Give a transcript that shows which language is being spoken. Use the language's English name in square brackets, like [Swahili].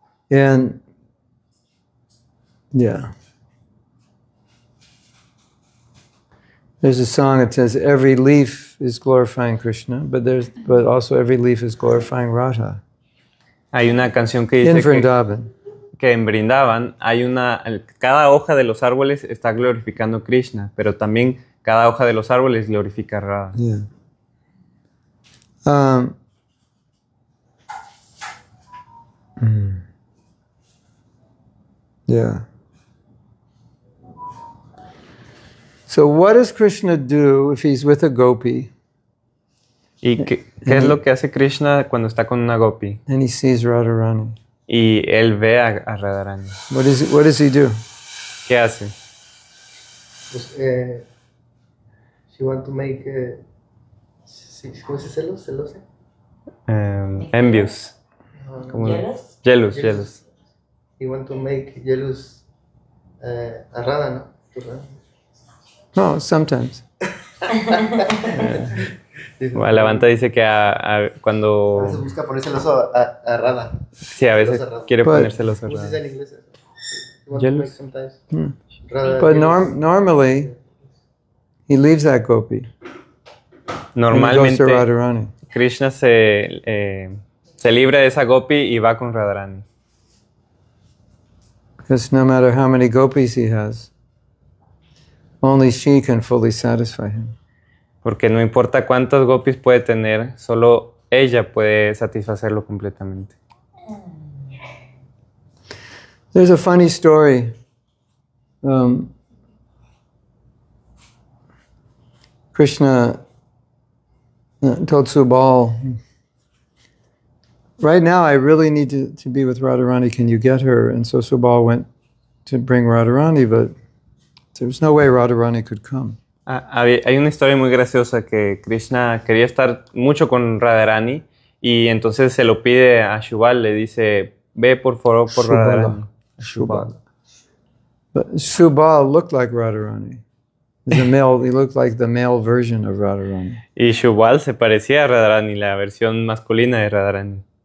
[English] And yeah, there's a song that says every leaf is glorifying Krishna, but also every leaf is glorifying Radha. [Spanish] Hay una canción que dice [English] in Vrindavan. [Spanish] Que en Vrindavan hay una cada hoja de los árboles está glorificando Krishna, pero también cada hoja de los árboles glorifica Radha. [English] Yeah. Yeah. So what does Krishna do if he's with a gopi? [Spanish] ¿Y qué es lo que hace Krishna cuando está con una gopi? [English] And he sees Radharani. [Spanish] Y él ve a Radharani. [English] What does he do? [Spanish] ¿Qué hace? Pues, [English] she want to make, [Spanish] ¿cómo se dice? ¿Celosa? [English] Envious. [Spanish] ¿Cómo? [English] Jealous. He want to make jealous a Radha, [Spanish] ¿no? [English] No, sometimes. [Spanish] Bueno, la Vanta dice que cuando... A veces busca ponerse los a Radha. Sí, a veces quiere ponerse los a Radha. [English] Jealous. But normally, he leaves that gopi. [Spanish] Normalmente, Krishna se... se libra de esa gopi y va con Radharani. [English] Because no matter how many gopis he has, only she can fully satisfy him. [Spanish] Porque no importa cuántas gopis puede tener, solo ella puede satisfacerlo completamente. [English] There's a funny story. Krishna told Subal. Right now, I really need to be with Radharani. Can you get her? And so Subal went to bring Radharani, but there was no way Radharani could come. [Spanish] Hay una historia muy graciosa que Krishna quería estar mucho con Radharani y entonces se lo pide a Subal. Le dice, ve por favor por Shubhala. Radharani. [English] Subal. But Subal looked like Radharani. The male, he looked like the male version of Radharani. [Spanish] Y Subal se parecía a Radharani, la versión masculina de Radharani.